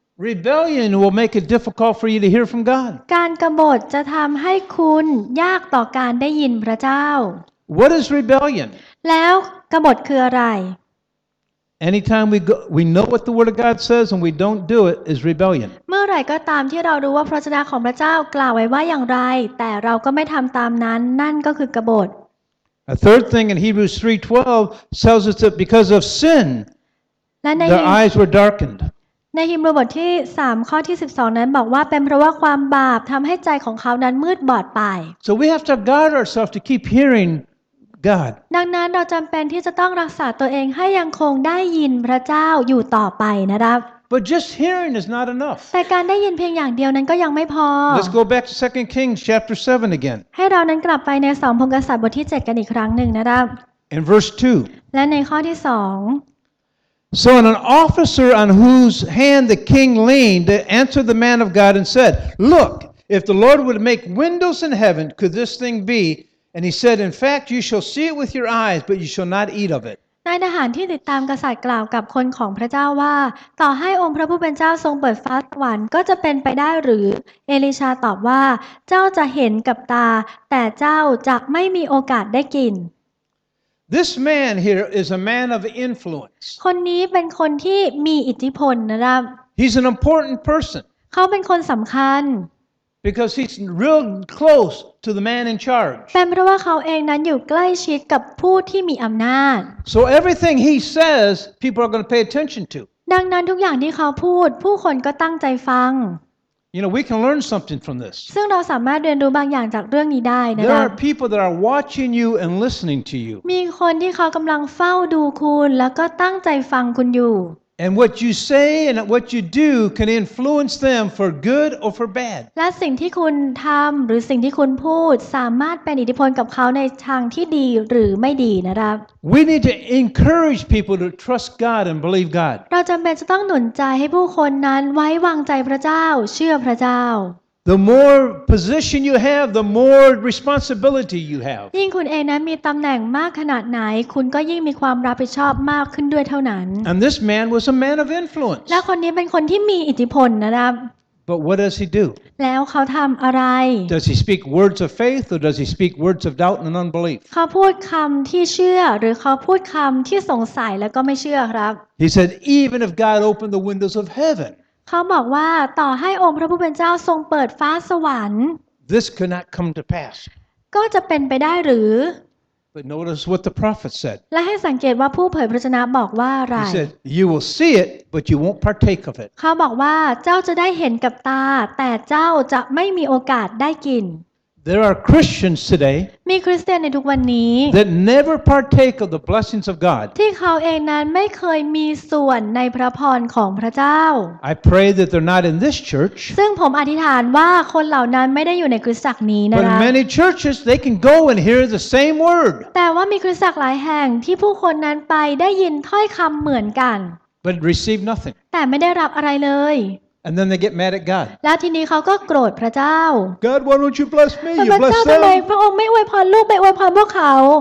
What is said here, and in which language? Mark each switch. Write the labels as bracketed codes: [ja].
[en] Rebellion will make it difficult for you to hear from God [th] การกบฏจะทำให้คุณยากต่อการได้ยินพระเจ้า [en] What is rebellion? [th] แล้วกบฏคืออะไร [en] Anytime we know what the word of God says and we don't do it is rebellion. [th] เมื่อไหร่ก็ตามที่เรารู้ว่าพระวจนะของพระเจ้ากล่าวไว้ว่าอย่างไรแต่เราก็ไม่ทำตามนั้นนั่นก็คือกบฏ [en] A third thing in Hebrews 3:12 tells us that because of sin their eyes were darkened. [th] ในฮีบรูบทที่3ข้อที่12นั้นบอกว่าเป็นเพราะว่าความบาปทำให้ใจของเขานั้นมืดบอดไป [en] So we have to guard ourselves to keep hearingGod. [th] ดังนั้นเราจำเป็นที่จะต้องรักษาตัวเองให้ยังคงได้ยินพระเจ้าอยู่ต่อไปนะครับ [en] But just hearing is not enough. [th] แต่การได้ยินเพียงอย่างเดียวนั้นก็ยังไม่พอ [en] Let's go back to 2 Kings chapter 7 again. [th] ให้เรานั้นกลับไปใน2พงศาวดารบทที่7กันอีกครั้งหนึ่งนะครับ [en] In verse 2. [th] และในข้อที่2 [en] So an officer on whose hand the king leaned answered the man of God and said, "Look, if the Lord would make windows in heaven, could this thing be?" And he said, "In fact, you shall see it with your eyes, but you shall not eat of it." [th] นายทหารที่ติดตามกษัตริย์กล่าวกับคนของพระเจ้าว่าต่อให้องค์พระผู้เป็นเจ้าทรงเปิดฟ้าสวรรค์ก็จะเป็นไปได้หรือเอลิชาตอบว่าเจ้าจะเห็นกับตาแต่เจ้าจะไม่มีโอกาสได้กิน [en] This man here is a man of influence. [th] คนนี้เป็นคนที่มีอิทธิพลนะครับ [en] He's an important person. [th] เขาเป็นคนสำคัญ [en] Because he's real close to the man in charge. [th] เป็นเพราะว่าเขาเองนั้นอยู่ใกล้ชิดกับผู้ที่มีอำนาจ [en] So everything he says, people are going to pay attention to. [th] ดังนั้นทุกอย่างที่เขาพูดผู้คนก็ตั้งใจฟัง [en] You know, we can learn something from this. [th] ซึ่งเราสามารถเรียนรู้บางอย่างจากเรื่องนี้ได้นะครับ [en] There are people that are watching you and listening to you. [th] มีคนที่เขากำลังเฝ้าดูคุณแล้วก็ตั้งใจฟังคุณอยู่ [en] And what you say and what you do can influence them for good or for bad. [th] และสิ่งที่คุณทำหรือสิ่งที่คุณพูดสามารถเป็นอิทธิพลกับเขาในทางที่ดีหรือไม่ดีนะครับ [en] We need to encourage people to trust God and believe God. [th] เราจำเป็นจะต้องหนุนใจให้ผู้คนนั้นไว้วางใจพระเจ้าเชื่อพระเจ้า [en] The more position you have, the more responsibility you have. [th] ยิ่งคุณเองนั้นมีตำแหน่งมากขนาดไหนคุณก็ยิ่งมีความรับผิดชอบมากขึ้นด้วยเท่านั้น [en] And this man was a man of influence. [th] และคนนี้เป็นคนที่มีอิทธิพลนะครับ [en] But what does he do? [th] แล้วเขาทำอะไร [en] Does he speak words of faith or does he speak words of doubt and unbelief? [th] เขาพูดคำที่เชื่อหรือเขาพูดคำที่สงสัยแล้วก็ไม่เชื่อครับ [en] He said, "Even if God opened the windows of heaven." [th] เขาบอกว่าต่อให้องค์พระผู้เป็นเจ้าทรงเปิดฟ้าสวรรค์ [en] This could not come to pass [th] ก็จะเป็นไปได้หรือ [en] But notice what the prophet said [th] และให้สังเกตว่าผู้เผยพระชนะบอกว่าอะไร [en] He said you will see it but you won't partake of it [th] เขาบอกว่าเจ้าจะได้เห็นกับตาแต่เจ้าจะไม่มีโอกาสได้กิน [en] There are Christians today [th] มีคริสเตียนในทุกวันนี้ [en] that never partake of the blessings of God [th] ที่เขาเองนั้นไม่เคยมีส่วนในพระพรของพระเจ้า [en] I pray that they're not in this church [th] ซึ่งผมอธิษฐานว่าคนเหล่านั้นไม่ได้อยู่ในคริสตจักรนี้นะคะ [en] But many churches they can go and hear the same word [th] แต่ว่ามีคริสตจักรหลายแห่งที่ผู้คนนั้นไปได้ยินถ้อยคำเหมือนกัน [en] but receive nothing [th] แต่ไม่ได้รับอะไรเลย [en] And then they get mad at God. [th] แล้วทีนี้เขาก็โกรธพระเจ้า [en] God, why don't you bless me? You bless them. [th] พระเจ้าทำไมพระองค์ไม่อวยพรลูกไม่อวยพรพวกเขา